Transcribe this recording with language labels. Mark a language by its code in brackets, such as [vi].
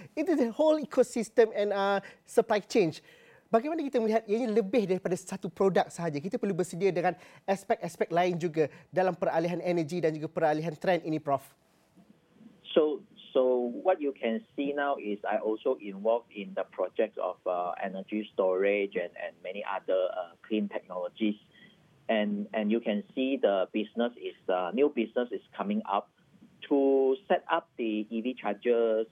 [en] It is the whole ecosystem and supply chain. [ms] Bagaimana kita melihat ianya lebih daripada satu produk sahaja? Kita perlu bersedia dengan aspek-aspek lain juga dalam peralihan energi dan juga peralihan trend ini, Prof. [en] So what you can see now is I also involved in the project of energy storage and many other clean technologies. And you can see the business is new business is coming up to set up the EV chargers.